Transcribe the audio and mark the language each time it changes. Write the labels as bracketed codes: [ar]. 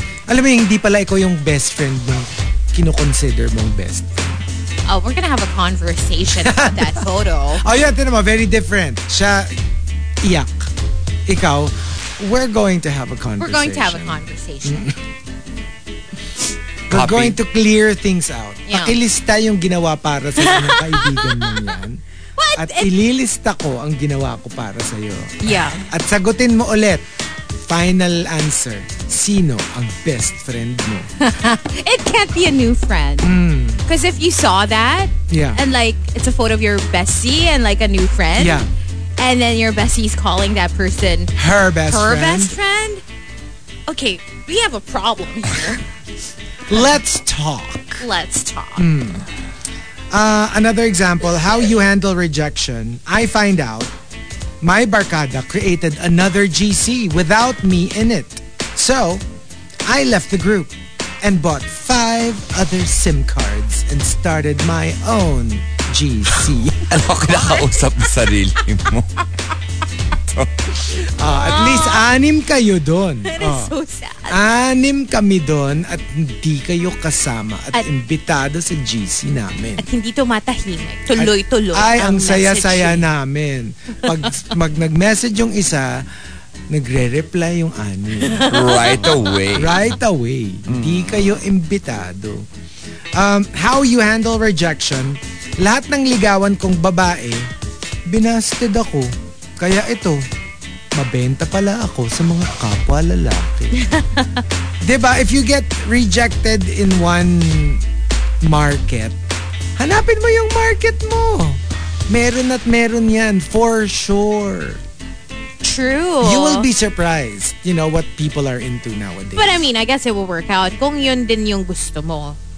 [tl] Alam mo, hindi pala ikaw yung best friend mo, kinukonsider mong best friend. [en] Oh, we're gonna have a conversation about that photo. Oh yeah, [tl] tinama, [en] very different. [tl] Siya, iyak. Ikaw, [en] we're going to have a conversation. We're going to have a conversation. We're going to clear things out. Yeah. [tl] Pakilista yung ginawa para sa mga kaibigan mo yan. [en] What? [tl] At ililista ko ang ginawa ko para sa'yo. [en] Yeah. [tl] At sagutin mo ulit. [en] Final answer. [tl] sino ang best friend mo? [en] It can't be a new friend. Because if you saw that, yeah, and like it's a photo of your bestie and like a new friend, yeah, and then your bestie's calling that person her best her friend. Best friend. Okay, we have a problem here. Let's talk. Let's talk. Another example, how you handle rejection. I find out my barkada created another GC without me in it. So, I left the group and bought 5 other SIM cards and started my own GC. [tl] Ano ka nakausap sa sarili mo? At least anim kayo doon. [en] That is so sad. [tl] Anim kami doon at hindi kayo kasama at imbitado sa GC namin. At hindi tumatahimik. Tuloy-tuloy. Ay, ang saya-saya namin. Pag mag nag-message yung isa, nagre-reply yung anim. [en] Right away. Right away. [tl] Hindi kayo imbitado. [en] How you handle rejection? [tl] Lahat ng ligawan kong babae, binasted ako. Kaya ito, mabenta pala ako sa mga kapwa lalaki. Diba, [en] if you get rejected in one market, [tl] hanapin mo yung market mo. Meron at meron yan, [en] for sure. True. You will be surprised, you know, what people are into nowadays. But I mean, I guess it will work out [tl] kung yun din yung gusto mo.